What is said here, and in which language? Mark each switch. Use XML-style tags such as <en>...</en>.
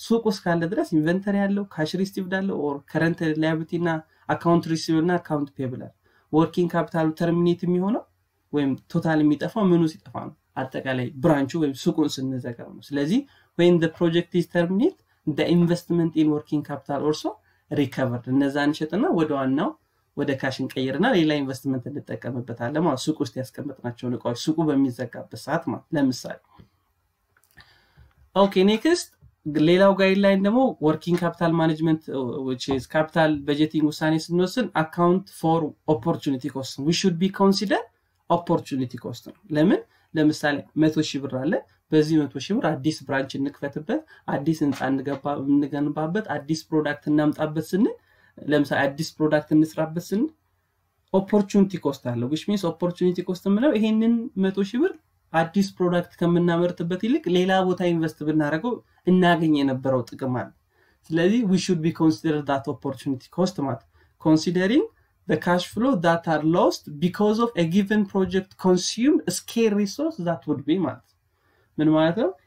<am>ሱቁ እስካለ ድረስ ኢንቨንተሪ አለው፣ ካሽ ሪሲቭድ አለው ኦር ከረንት ላያቢሊቲ እና አካውንት ሪሲቭድ እና አካውንት ፔብል አለ። ወርኪንግ ካፒታሉ ተርሚኔት የሚሆነው ወይም ቶታል የሚጠፋው ምኑ ሲጠፋ ነው? አጠቃላይ ብራንቹ ወይም ሱቁን ስንዘጋው ነው። ስለዚህ</am> <en>when the project is terminated the investment in working capital also recovered.</en> <am>እነዛን ሸጥና ወደ ዋናው ወደ ካሽን ቀይርና ሌላ ኢንቨስትመንት እንድጠቀምበታለን ማለት ሱቁ ውስጥ ያስቀምጥናቸው ንቃዎች ሱቁ በሚዘጋበት ሰዓት ማለት ለምሳሌ።</am> <en>Okay, next,</en> <am>ሌላው ጋይድላይን ደግሞ working capital management</am> <en>which is capital budgeting</en> <am>ውሳኔ ስንወስን account for opportunity cost.</am> <en>We should be consider opportunity cost.</en> <am>ለምን? ለምሳሌ 100,000 ብር አለ። በዚህ 100,000 ብር አዲስ ብራንች እንከፈትበት፣ አዲስ ህንጻ እንገነባበት፣ አዲስ ፕሮዳክት እናምጣበት ስንል ለምሳሌ አዲስ ፕሮዳክት እንስራበት ስንል</am> <en>opportunity cost አለ። which means opportunity cost</en> <am>ማለት ይሄንን 100,000 ብር አዲስ ፕሮዳክት ከመናመርትበት ይልቅ ሌላ ቦታ ኢንቨስት ብናረገው እናገኝ የነበረው ጥቅም አለ። ስለዚህ</am> <en>we should be consider that opportunity cost ማለት considering the cash flow that are lost because of a given project consumed scarce resource that would be</en> <am>ማለት ምን ማለት ነው?</am>